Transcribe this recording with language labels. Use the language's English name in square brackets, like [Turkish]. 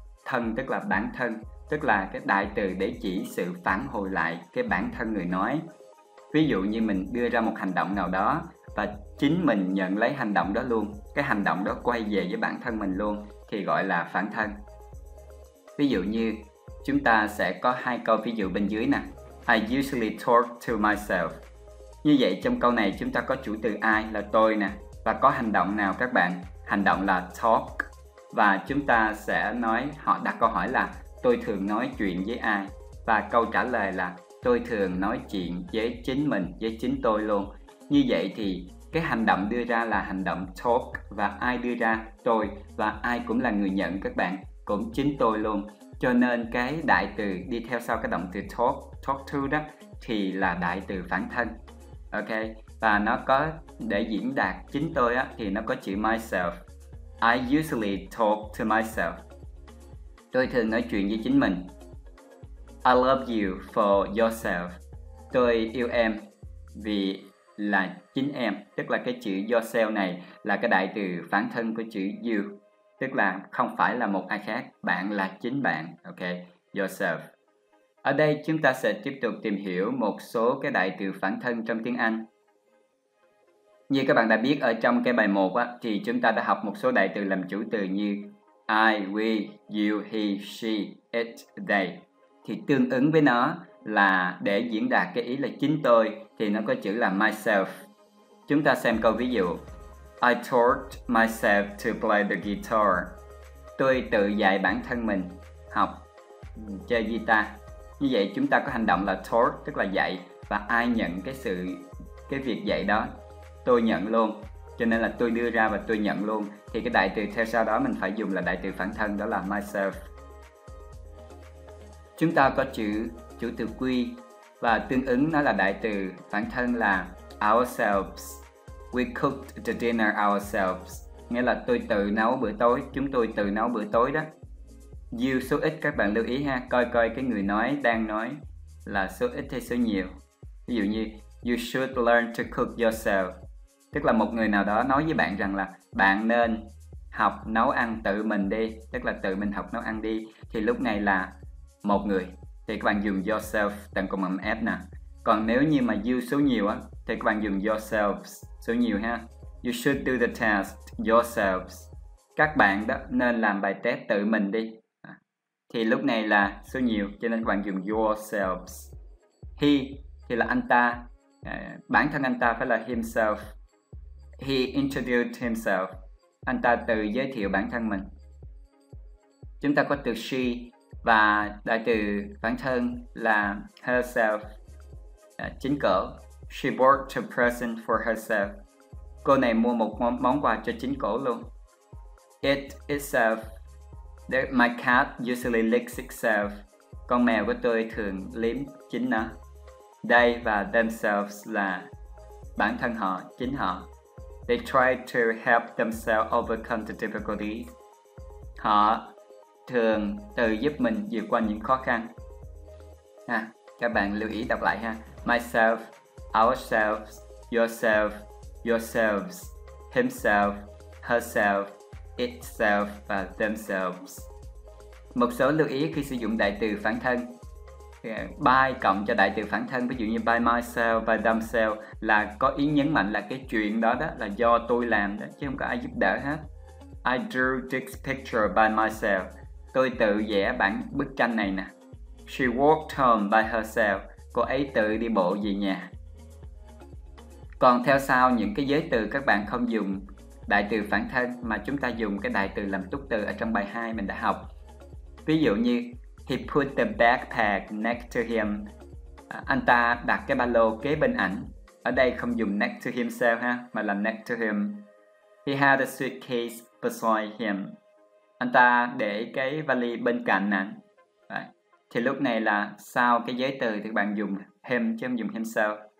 [Vietnamese] Thân tức là bản thân, tức là cái đại từ để chỉ sự phản hồi lại cái bản thân người nói. Ví dụ như mình đưa ra một hành động nào đó và chính mình nhận lấy hành động đó luôn, cái hành động đó quay về với bản thân mình luôn thì gọi là phản thân. Ví dụ như chúng ta sẽ có hai câu ví dụ bên dưới nè. [English] I usually talk to myself. [Vietnamese] Như vậy trong câu này chúng ta có chủ từ I là tôi nè, và có hành động nào các bạn? Hành động là talk. Và chúng ta sẽ nói, họ đặt câu hỏi là tôi thường nói chuyện với ai? Và câu trả lời là tôi thường nói chuyện với chính mình, với chính tôi luôn. Như vậy thì cái hành động đưa ra là hành động talk, và ai đưa ra? Tôi. Và ai cũng là người nhận các bạn? Cũng chính tôi luôn. Cho nên cái đại từ đi theo sau cái động từ talk, talk to đó, thì là đại từ phản thân. Ok. Và nó có, để diễn đạt chính tôi á, thì nó có chữ myself. [English] I usually talk to myself. [Vietnamese] Tôi thường nói chuyện với chính mình. [English] I love you for yourself. [Vietnamese] Tôi yêu em vì là chính em. Tức là cái chữ yourself này là cái đại từ phản thân của chữ you. Tức là không phải là một ai khác. Bạn là chính bạn. Ok, yourself. Ở đây chúng ta sẽ tiếp tục tìm hiểu một số cái đại từ phản thân trong tiếng Anh. Như các bạn đã biết ở trong cái bài 1 á, thì chúng ta đã học một số đại từ làm chủ từ như I, we, you, he, she, it, they. Thì tương ứng với nó là để diễn đạt cái ý là chính tôi thì nó có chữ là myself. Chúng ta xem câu ví dụ. [English] I taught myself to play the guitar. [Vietnamese] Tôi tự dạy bản thân mình học chơi guitar. Như vậy chúng ta có hành động là taught, tức là dạy, và ai nhận cái việc dạy đó? Tôi nhận luôn, cho nên là tôi đưa ra và tôi nhận luôn. Thì cái đại từ theo sau đó mình phải dùng là đại từ phản thân, đó là myself. Chúng ta có chủ từ we, và tương ứng nó là đại từ phản thân là ourselves. [English] We cooked the dinner ourselves. [Vietnamese] Nghĩa là tôi tự nấu bữa tối, chúng tôi tự nấu bữa tối đó. You số ít, các bạn lưu ý ha, coi cái người nói đang nói là số ít hay số nhiều. Ví dụ như [English] you should learn to cook yourself. [Vietnamese] Tức là một người nào đó nói với bạn rằng là bạn nên học nấu ăn tự mình đi. Tức là tự mình học nấu ăn đi. Thì lúc này là một người. Thì các bạn dùng yourself tận cùng âm F nè. Còn nếu như mà you số nhiều á, thì các bạn dùng yourselves số nhiều ha. [English] You should do the test yourselves. [Vietnamese] Các bạn đó nên làm bài test tự mình đi. Thì lúc này là số nhiều, cho nên các bạn dùng yourselves. He thì là anh ta. Bản thân anh ta phải là himself. [English] He introduced himself. [Vietnamese] Anh ta tự giới thiệu bản thân mình. Chúng ta có từ she, và đại từ phản thân là herself. Chính cổ. [English] She bought a present for herself. [Vietnamese] Cô này mua một món quà cho chính cổ luôn. [English] It itself. My cat usually licks itself. [Vietnamese] Con mèo của tôi thường liếm chính nó. They và themselves là bản thân họ, chính họ. [English] They try to help themselves overcome the difficulties. [Vietnamese] Họ thường tự giúp mình vượt qua những khó khăn. Ha, các bạn lưu ý đọc lại ha. [English] Myself, ourselves, yourself, yourselves, himself, herself, itself và themselves. [Vietnamese] Một số lưu ý khi sử dụng đại từ phản thân. By cộng cho đại từ phản thân, ví dụ như by myself, by themselves, là có ý nhấn mạnh là cái chuyện đó đó là do tôi làm đó, chứ không có ai giúp đỡ hết. [English] I drew this picture by myself. [Vietnamese] Tôi tự vẽ bản bức tranh này nè. [English] She walked home by herself. [Vietnamese] Cô ấy tự đi bộ về nhà. Còn theo sau những cái giới từ các bạn không dùng đại từ phản thân mà chúng ta dùng cái đại từ làm túc từ ở trong bài 2 mình đã học. Ví dụ như [English] he put the backpack next to him. [Vietnamese] Anh ta đặt cái ba lô kế bên ảnh. Ở đây không dùng [English] next to himself [Vietnamese] ha, mà là next to him. [English] He had a suitcase beside him. [Vietnamese] Anh ta để cái vali bên cạnh ảnh. thì lúc này là sau cái giới từ thì các bạn dùng him chứ không dùng himself.